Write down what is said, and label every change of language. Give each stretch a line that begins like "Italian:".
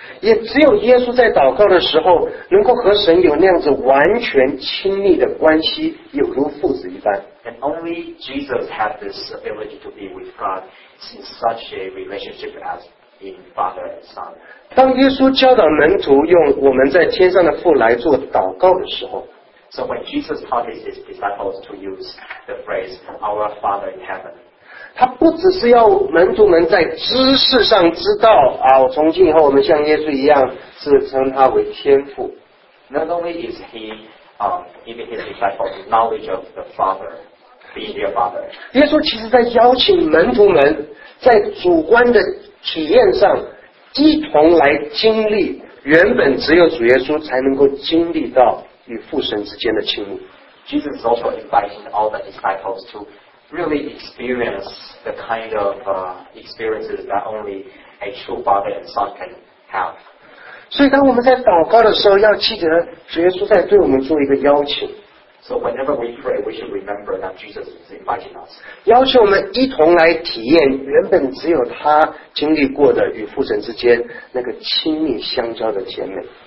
Chinese: 也只有耶稣在祷告的时候能够和神有那样子完全亲密的关系，有如父子一般。
English: And only Jesus had this ability to be with God in such a relationship as in Father and Son.
Chinese: 当耶稣教导门徒用我们在天上的父来做祷告的时候，
English: So when Jesus taught his disciples to use the phrase Our Father in Heaven，
Chinese: 他不只是要门徒们在知识上知道啊，我从今以后我们像耶稣一样是称他为天父。
English: Not only is he giving his disciples knowledge of the Father, being their Father.
Chinese: 耶稣其实在邀请门徒们在主观的体验上一同来经历原本只有主耶稣才能够经历到与父神之间的亲密。
English: Jesus is also inviting all the disciples toreally experience the kind of experiences that only a true father and son can have.
Chinese: 所以当我们在祷告的时候要记得主耶稣在对我们做一个邀请。
English: So whenever we pray, we should remember that Jesus is inviting us.
Chinese: 邀请我们一同来体验原本只有他经历过的与父神之间那个亲密相交的甜美。